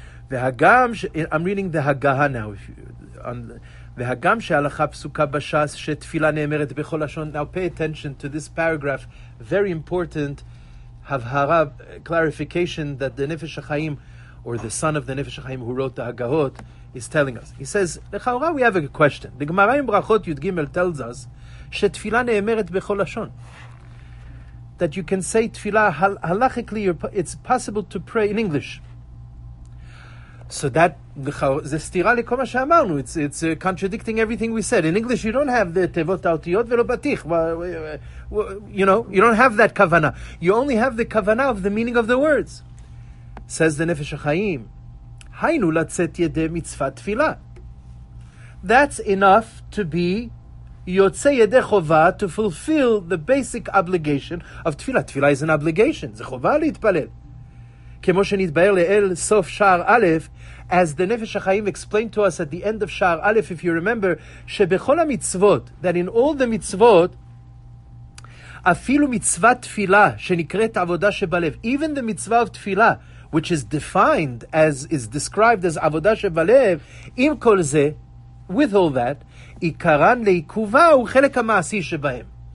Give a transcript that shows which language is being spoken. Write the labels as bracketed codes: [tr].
[he] והגם, [en] I'm reading the הגהה now. [he] והגם שהלכה פסוקה בשעס שתפילה נאמרת בכל לשון. [en] Now pay attention to this paragraph. Very important. הבהרה, clarification that the Nefesh HaChaim, or the son of the Nefesh HaChaim who wrote the הגהות, is telling us. He says, לכאורה, we have a question. The Gemara in Brachot Yud Gimel tells us שתפילה נאמרת בכל לשון. That you can say תפילה, halachically, it's possible to pray in English. So that, [he] זה סתירה לכל מה שאמרנו. [en] It's contradicting everything we said. In English, you don't have the [he] תיבות האותיות ולא בטיח. [en] You know, you don't have that כוונה. You only have the כוונה of the meaning of the words. [he] Says the Nefesh HaChaim, היינו לצאת ידי מצוות תפילה. [en] That's enough to be יוצא ידי חובה to fulfill the basic obligation of תפילה. [he] תפילה [en] is an obligation. [he] זה חובה להתפלל. כמו שנתבהר לאל סוף שער א', [en] as the Nefesh HaChaim explained to us at the end of [he] שער א', [en] if you remember, [he] שבכל המצוות, [en] that in all the [he] מצוות, אפילו מצוות תפילה שנקראת עבודה שבלב, [en] even the [he] מצווה of תפילה, [en] which is defined as, is described as [he] עבודה שבלב, עם כל זה, [en] with all that, [he] עיקרן לעיכובה הוא חלק המעשי שבהם.